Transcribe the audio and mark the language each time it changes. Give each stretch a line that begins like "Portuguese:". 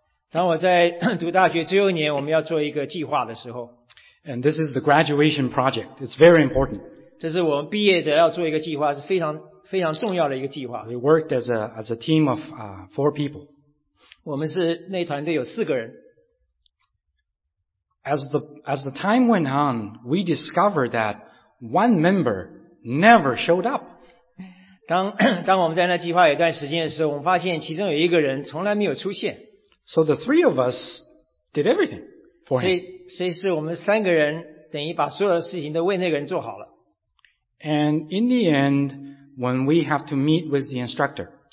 Chinese: 当我在读大学最后一年，我们要做一个计划的时候。
English: And this is the graduation project. It's very important.
Chinese: 这是我们毕业的要做一个计划，是非常非常重要的一个计划。
English: We worked as a team of four people.
Chinese: 我们是那团队有四个人。
English: As the time went on, we discovered that one member never showed up.
Chinese: 当我们在那计划有一段时间的时候，我们发现其中有一个人从来没有出现。
English: So the three of us did everything for him.
Chinese: 所以是我们三个人等于把所有的事情都为那个人做好了。
English: And in the end,When we have to meet with the instructor.